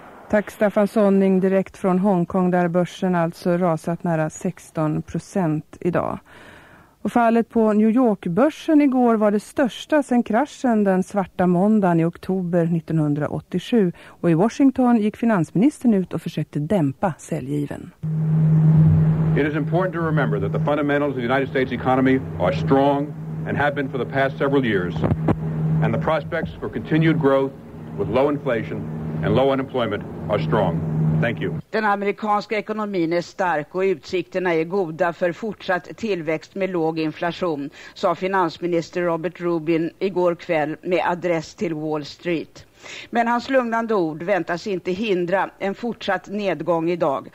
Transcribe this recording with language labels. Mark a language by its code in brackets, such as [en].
[sv] Tack Staffan Sonning, direkt från Hongkong där börsen alltså rasat nära 16% idag. Och fallet på New York-börsen igår var det största sedan kraschen den svarta måndagen i oktober 1987. Och i Washington gick finansministern ut och försökte dämpa säljgiven. [en] It is important to remember that the fundamentals of the United States economy are strong and have been for the past several years. And the prospects for continued growth with low inflation and low unemployment are strong. Thank you. [sv] Den amerikanska ekonomin är stark och utsikterna är goda för fortsatt tillväxt med låg inflation, sa finansminister Robert Rubin igår kväll med adress till Wall Street. Men hans lugnande ord väntas inte hindra en fortsatt nedgång idag.